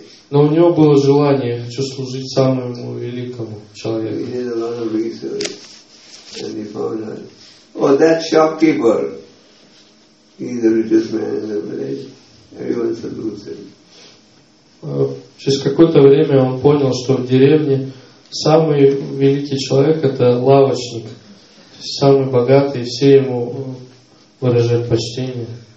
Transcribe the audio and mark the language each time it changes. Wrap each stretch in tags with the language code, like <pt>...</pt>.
<ru>Но у него было желание, я хочу служить самому великому человеку.</ru> <en>He did a lot of research and he found out, oh, that shopkeeper, he's the richest man in the village. Everyone salutes him.</en> <ru>Через какое-то время он понял, что в деревне самый великий человек — это лавочник, самый богатый, и все ему выражают почтение.</ru>